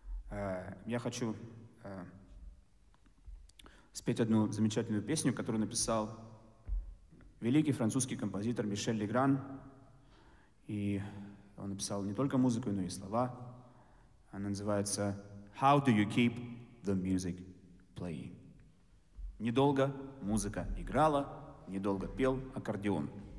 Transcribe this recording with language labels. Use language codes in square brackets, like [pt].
[ru] Я хочу спеть одну замечательную песню, которую написал великий французский композитор Мишель Легран. И он написал не только музыку, но и слова. Она называется [en] «How do you keep the music playing?» [ru] «Недолго музыка играла, недолго пел аккордеон».